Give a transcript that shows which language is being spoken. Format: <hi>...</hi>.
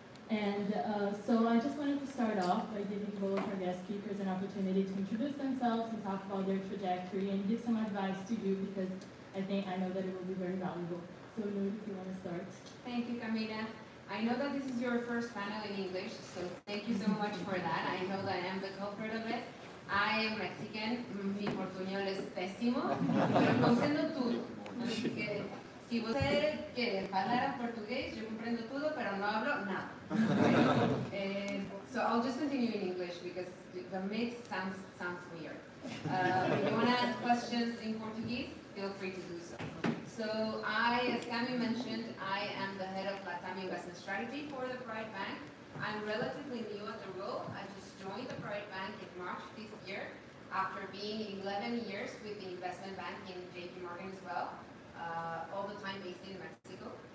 <en>And so I just wanted to start off by giving both our guest speakers an opportunity to introduce themselves and talk about their trajectory and give some advice to you, because I know that it will be very valuable. So Noor, if you want to start. Thank you, Camila. I know that this is your first panel in English, so thank you so much for that. I know that I am the culprit of it. I am Mexican,</en> <es>mi portuño es pésimo, pero comprendo todo. Así que si usted quiere hablar portugués, yo comprendo todo, pero no hablo nada.</es> <en>So I'll just continue in English because the mix sounds weird. If you want to ask questions in Portuguese, feel free to do so. So I, as Cami mentioned, I am the head of Latam Investment Strategy for the Pride Bank. I'm relatively new at the role. I just joined the Pride Bank in March this year after being 11 years with the investment bank in JP Morgan as well, all the time based in Mexico.</en>